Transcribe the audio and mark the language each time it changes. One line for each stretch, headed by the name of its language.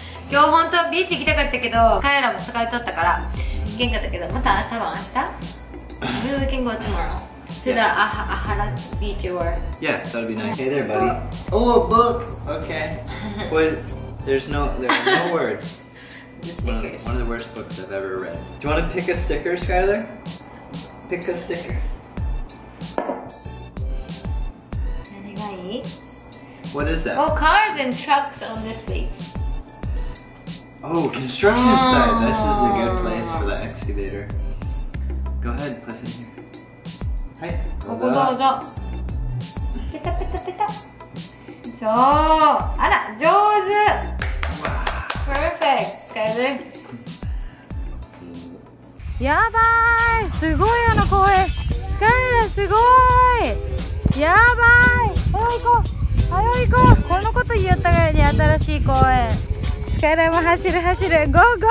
Japanese: 今日本当はビーチ行きたかったけど、彼らも疲れとったから行けんかったけど、また多分明日。
English: Maybe we can go tomorrow to the Ahara beach or. Yeah, that'll be nice. Hey there, buddy. Oh, a book. Okay. Well, there's no words. One of the worst books I've ever read. Do you want to pick a sticker, Skylar? Pick a sticker. What is that? Oh, cars and trucks on this page. Oh, construction site. This is a good place for the excavator. Go ahead, press in here. Hi. Go. Pita, pita, pita. So,
Japanese: ara, 上手
English: Perfect.
Japanese: やばいすごいあの公園スカイラーすごいやばい早い行こう早い行こうこのこと言ったからに新しい公園スカイラーも走る走るゴーゴ